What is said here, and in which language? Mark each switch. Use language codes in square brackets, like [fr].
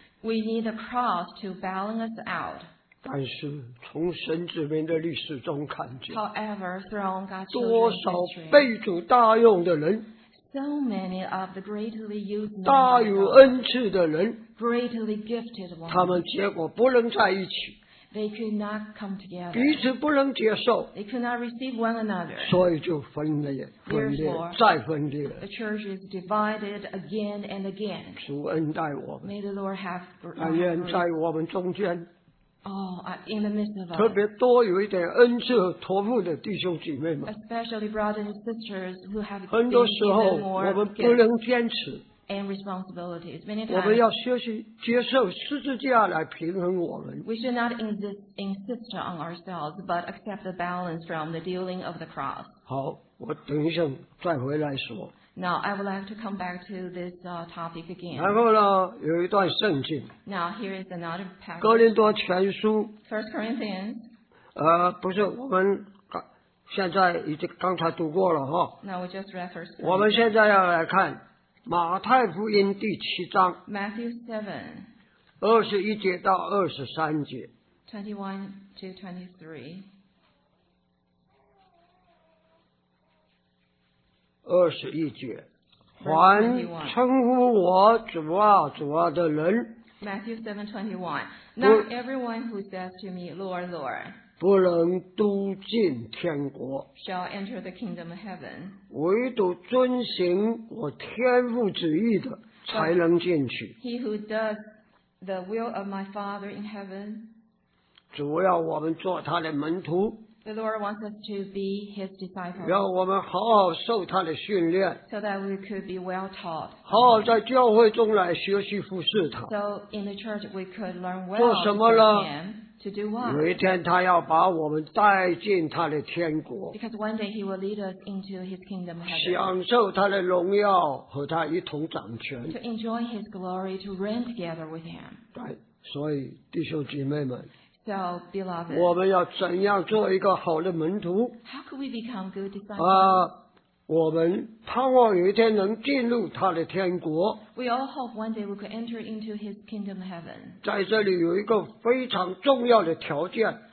[en] We need the cross to balance us out. [zh] 但是从神子民的历史中看见 [en] However, from God's history, [zh] 多少被主大用的人 [en] so many of the greatly used [zh] 大有恩赐的人 [en] greatly gifted ones, [zh] 他们结果不能在一起 [en] they could not come together, [zh] 彼此不能接受 [en] they could not receive one another, [zh] 所以就分裂分裂 [en] Therefore, [zh] 再分裂 [en] the church is divided again and again. [zh] 主恩待我们 [en] May the Lord have grace. [zh] 但愿在我们中间 [en] in the midst of us, [zh] 特别多有一点恩赐和托付的弟兄姐妹们 [en] especially brothers and sisters who have [zh] 很多时候我们不能坚持 [en] and responsibilities. Many times, [zh] 我们要学习接受十字架来平衡我们 [en] we should not insist on ourselves but accept the balance from the dealing of the cross [zh] 好我等一下再回来说 [en] Now I would like to come back to this topic again. [zh] 然后呢有一段圣经 [en] Now here is another passage. [zh] 哥林多前书 [en] First Corinthians. [zh] 不是我们现在已经刚才读过了哈 [en] Now we just read First Corinthians. [zh] 我们现在要来看马太福音第七章 [en] Matthew 7. [zh] 二十一节到二十三节 [en] 21 to 23. [zh] 二十一节，凡称呼我主啊主啊的人 [en] ，Matthew 7:21， not everyone who says to me, Lord, Lord， [zh] 不能都进天国 [en] ，shall enter the kingdom of heaven， [zh] 唯独遵行我天父旨意的才能进去。 [en] He who does the will of my Father in heaven， [zh] 主要我们做他的门徒。 [en] The Lord wants us to be His disciples. [zh] 让我们好好受他的训练。 [en] So that we could be well taught. [zh] 好好在教会中来学习服侍他。 [en] So in the church we could learn well. [zh] 做什么呢 [en] ？To do what? [zh] 有一天他要把我们带进他的天国。 [en] Because one day He will lead us into His kingdom. [zh] 享受他的荣耀和他一同掌权。 [en] To enjoy His glory, to reign together with Him. [zh] 对，所以弟兄姐妹们。 [en] So, beloved, [zh] 我们要怎样做一个好的门徒 [en] How could we become good disciples? [zh] 我们盼望有一天能进入他的天国 [en] We all hope one day we could enter into his kingdom of heaven [zh] 在这里有一个非常重要的条件